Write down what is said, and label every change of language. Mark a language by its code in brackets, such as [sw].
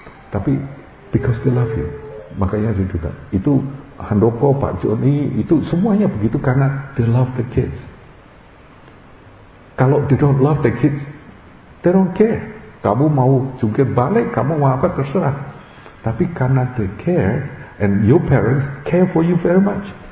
[id] Tapi [en] because they love you. [id] Makanya dia juga. Itu Handoko, Pak Joni, itu semuanya begitu karena [en] they love the kids. [id] Kalau [en] they don't love the kids, they don't care. [id] Kamu mau jungkir balik, kamu mau apa, terserah. Tapi karena [en] they care, and your parents care for you very much.